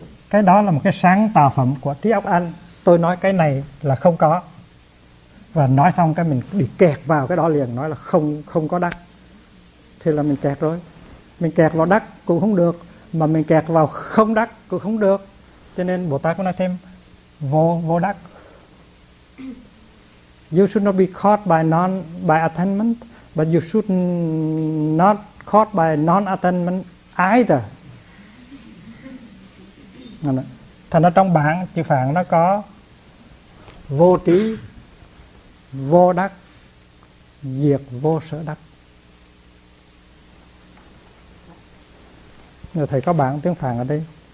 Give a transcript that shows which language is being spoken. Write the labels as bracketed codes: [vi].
[vi] Cái đó là một cái sáng tạo phẩm của trí óc anh. Tôi nói cái này là không có, và nói xong cái mình bị kẹt vào cái đó liền, nói là không có đắc, thì là mình kẹt rồi. Mình kẹt vào đắc cũng không được, mà mình kẹt vào không đắc cũng không được. Cho nên Bồ Tát cũng nói thêm vô đắc. [en] You should not be caught by non by attainment, but you should not caught by non attainment either. [vi] Thành ra trong bảng chữ phạn nó có vô trí, vô đắc, diệt vô sở đắc. Rồi thầy có bảng tiếng phạn ở đây.